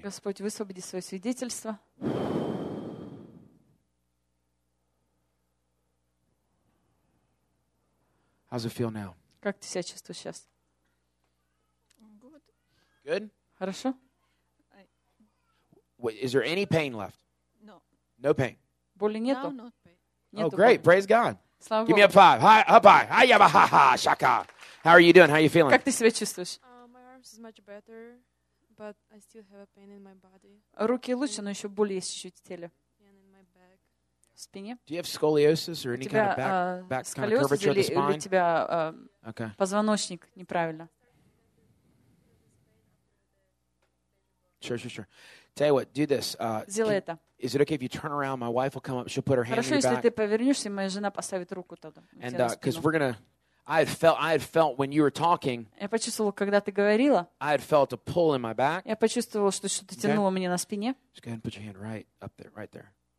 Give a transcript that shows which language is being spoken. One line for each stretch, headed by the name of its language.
Russian: Господь, высвободи свое свидетельство.
English: How's it feel now?
Russian: Как ты себя чувствуешь сейчас?
English: Good. Good?
Russian: Хорошо.
English: Wait, is there any pain left? No. No pain.
Russian: Боли нету.
English: No, not pain.
Russian: Нету
English: oh, great!
Russian: Боли.
English: Praise God. Give me a five. Hi, up high. Hi, yaba, ha, ha, shaka. How are you doing? How are you feeling?
Russian: Как ты себя чувствуешь?
English: My arms is much better, but I still have a pain in my body.
Russian: Руки лучше, но еще боль есть чуть-чуть в теле.
English: And in my back.
Russian: В спине.
English: Do you have scoliosis or any kind of back kind of curvature of the spine?
Russian: У тебя okay. Позвоночник неправильно.
English: Sure, sure, sure. Tell you what, do this.
Russian: Сделай это.
English: Is it okay if you turn around? My wife will come up. She'll put her
Russian: Хорошо,
English: hand in your back.
Russian: Хорошо, если ты повернешься, моя жена поставит руку тогда.
English: And because we're gonna, I had felt when you were talking.
Russian: Я почувствовала, когда ты говорила.
English: I had felt a pull in my back.
Russian: Я почувствовала, что что-то тянуло мне на спине.
English: Just go ahead and put your hand right up there, right there.